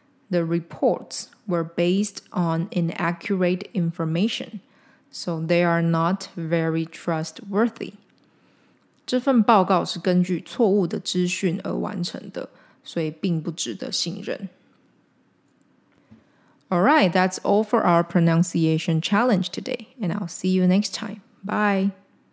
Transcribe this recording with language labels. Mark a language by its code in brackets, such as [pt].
[en] The reports were based on inaccurate information, so they are not very trustworthy. [zh] 这份报告是根据错误的资讯而完成的，所以并不值得信任。 [en] All right, that's all for our pronunciation challenge today, and I'll see you next time. Bye!